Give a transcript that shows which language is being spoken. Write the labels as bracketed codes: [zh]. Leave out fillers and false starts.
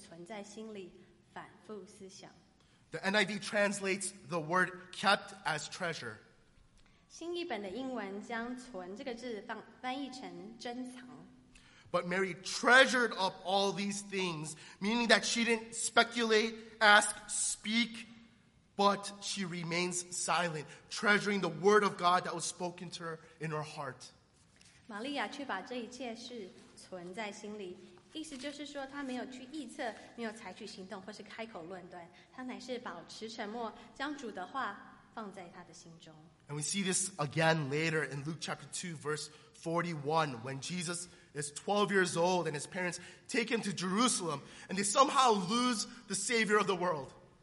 [zh] 人们诧异，但玛利亚却把这一切的事存在心里，反复思想。 [en] The NIV translates the word kept as treasure. [zh] 新译本的英文将存这个字翻译成珍藏。 [en] But Mary treasured up all these things, meaning that she didn't speculate, ask, speak, but she remains silent, treasuring the word of God that was spoken to her in her heart. [zh] 玛利亚却把这一切事存在心里。意思就是说，他没有去臆测，没有采取行动，或是开口论断，他乃是保持沉默，将主的话放在他的心中。 [en] And we see this again later in Luke chapter 2, verse 41, when Jesus is 12 years old and his parents take him to Jerusalem, and they somehow lose the Savior of the world.